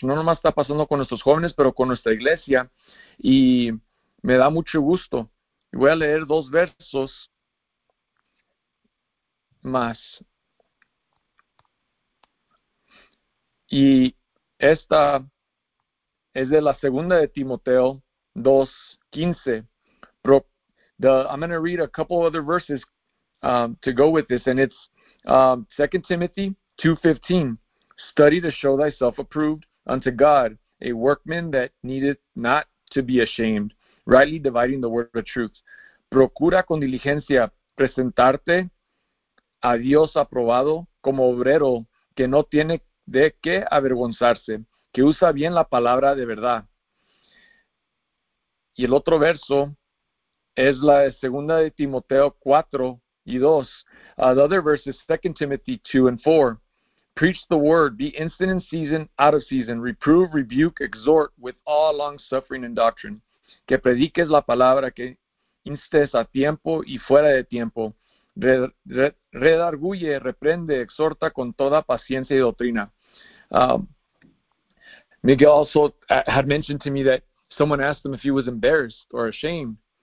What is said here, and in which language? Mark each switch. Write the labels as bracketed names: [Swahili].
[Spanish] No nomás está pasando con nuestros jóvenes, pero con nuestra iglesia. Y me da mucho gusto. Voy a leer dos versos más. Y esta es de la segunda de Timoteo 2:15. [English] I'm going to read a couple other verses to go with this. And it's 2 Timothy 2:15. Study to show thyself approved unto God, a workman that needeth not to be ashamed, rightly dividing the word of truth. [Spanish] Procura con diligencia presentarte a Dios aprobado como obrero que no tiene de qué avergonzarse, que usa bien la palabra de verdad. Y el otro verso es la segunda de Timoteo 4 y 2. [English] The other verse is 2 Timothy 2 and 4. Preach the word, be instant in season, out of season, reprove, rebuke, exhort with all long suffering and doctrine. [Spanish] Que prediques la palabra, que instes a tiempo y fuera de tiempo. Redarguye, reprende, exhorta con toda paciencia y doctrina. [English] Miguel also had mentioned to me that someone asked him if he was embarrassed or ashamed.